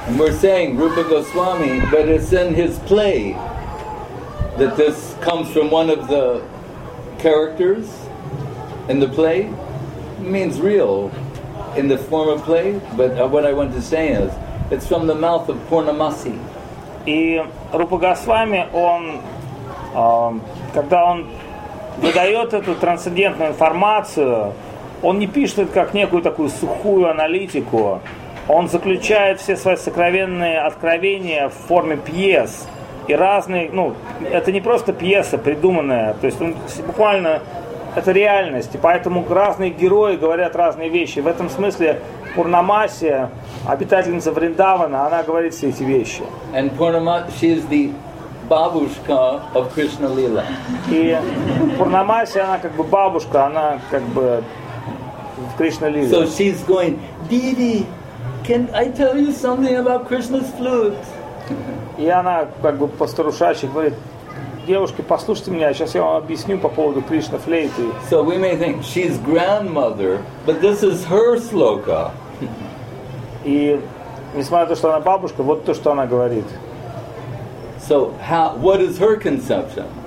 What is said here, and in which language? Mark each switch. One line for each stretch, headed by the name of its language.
English: And we're saying Rupa Goswami, but it's in his play. That this comes from one of the characters in the play means real in the form of play, but what I want to say is it's from the mouth of Purnamasi.
Russian: И Рупа Госвами, он, когда он выдает эту трансцендентную информацию, он не пишет это как некую такую сухую аналитику. Он заключает все свои сокровенные откровения в форме пьес. И разные, ну, это не просто пьеса придуманная, то есть он буквально, это реальность, и поэтому разные герои говорят разные вещи. В этом смысле Пурнамасия, обитательница Вриндавана, она говорит все эти вещи.
English: And Purnama, she is the бабушка of Krishna Lila.
Russian: И Пурнамасия, она как бы бабушка, она как бы Кришна Лила.
English: So she's going, Didi, can I tell you something about Krishna's flute?
Russian: И она как бы по-старушачьи говорит, девушки, послушайте меня, сейчас я вам объясню по поводу Кришна флейты.
English: So we may think she's grandmother, but this is her sloka.
Russian: И несмотря на то, что она бабушка, вот то, что она говорит.
English: So how, what is her conception?